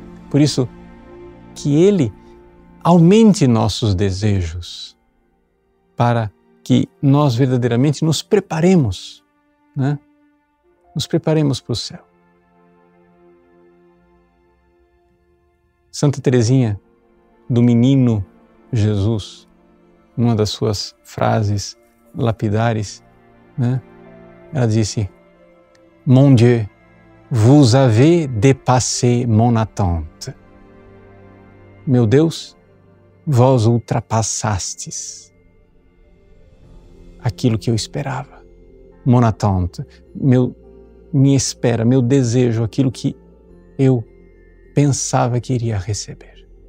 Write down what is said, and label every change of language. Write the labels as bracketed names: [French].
[Portuguese] Por isso, que Ele aumente nossos desejos para que nós verdadeiramente nos preparemos, né? Nos preparemos para o céu. Santa Teresinha do Menino Jesus, numa das suas frases lapidares, né? Ela disse: [French] Mon Dieu, vous avez dépassé mon attente. [Portuguese] Meu Deus, vós ultrapassastes aquilo que eu esperava. [French] Mon attente, [Portuguese] minha espera, meu desejo, aquilo que eu pensava que iria receber.